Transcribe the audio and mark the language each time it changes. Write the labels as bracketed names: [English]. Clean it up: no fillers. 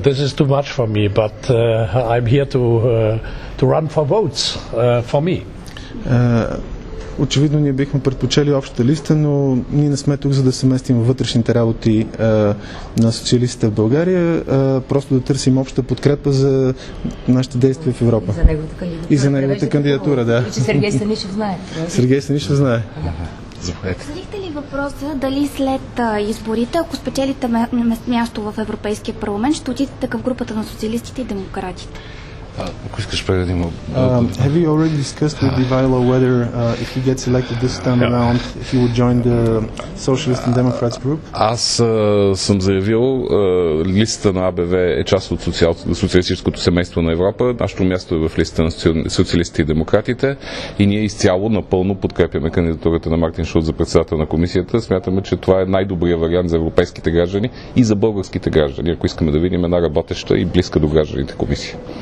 [English] This is too much for me. But I'm here to run for votes for me. [Bulgarian] Очевидно ние бихме предпочели общата листа, но ние не сме тук за да се местим във вътрешните работи на социалистите в България, просто да търсим обща подкрепа за нашите действия в Европа. За неговата кандидатура. И за неговата кандидатура, да. Че Сергей Станишев знае. Сергей Станишев знае. Задихте ли въпроса дали след изборите, ако спечелите място в Европейския парламент, ще отидете към групата на социалистите и демократите? [English] Have you already discussed with Ivailo whether if he gets elected this time around, if he would join the Socialist and Democrats group? [Bulgarian] Аз съм заявил, листата на АБВ е част от социалистическото семейство на Европа. Нашето място е в листата на социалистите и демократите и ние изцяло напълно подкрепяме кандидатурата на Мартин Шулц за председател на комисията. Смятаме, че това е най-добрия вариант за европейските граждани и за българските граждани, ако искаме да видим една работеща и близка до гражданите комисия.